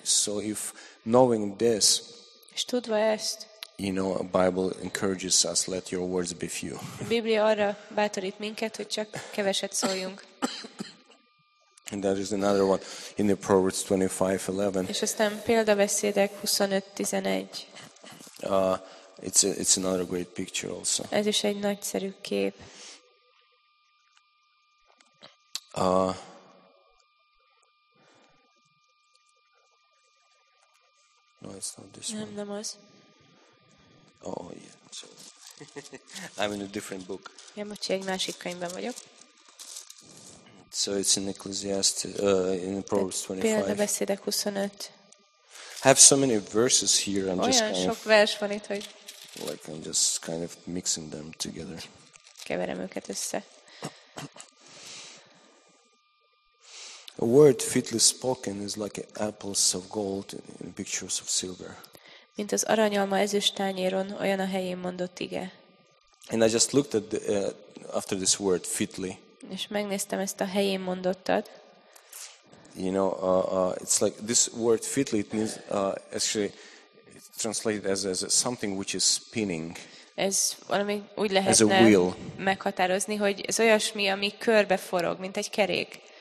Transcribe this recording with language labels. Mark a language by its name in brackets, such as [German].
[English] So if knowing this. [Hungarian] És tudva ezt. [English] You know, a Bible encourages us, let your words be few. [Hungarian] Biblia arra bátorít minket, hogy csak keveset szóljunk. [English] And that is another one in the Proverbs 25:11. [Hungarian] És aztán Példabeszédek 25:11. [English] It's another great picture also. [Hungarian] Ez is egy nagyszerű kép. [English] No, it's not this one. [Hungarian] Nem az. [English] Oh yeah, so I'm in a different book. [Hungarian] Ja, most egy másik könyvben vagyok. [English] So it's in Ecclesiastes, in Proverbs 25. [Hungarian] Példabeszédek 25. [English] Have so many verses here. I'm [Hungarian] olyan [English] just kind [Hungarian] sok vers van itt, hogy. [English] Like I'm just kind of mixing them together. [Hungarian] Keverem őket össze. [English] A word fitly spoken is like apples of gold in pictures of silver. [Hungarian] Mint az aranyalma ezüsttányéron, olyan a helyén mondott ige. [English] And I just looked at the, after this word fitly. [Hungarian] És megnéztem ezt a helyén mondottat. [English] You know, it's like this word fitly, it means actually it's translated as something which is spinning. [Hungarian] Ez valami úgy lehetne meghatározni, hogy ez olyasmi, ami körbe forog, mint egy kerék.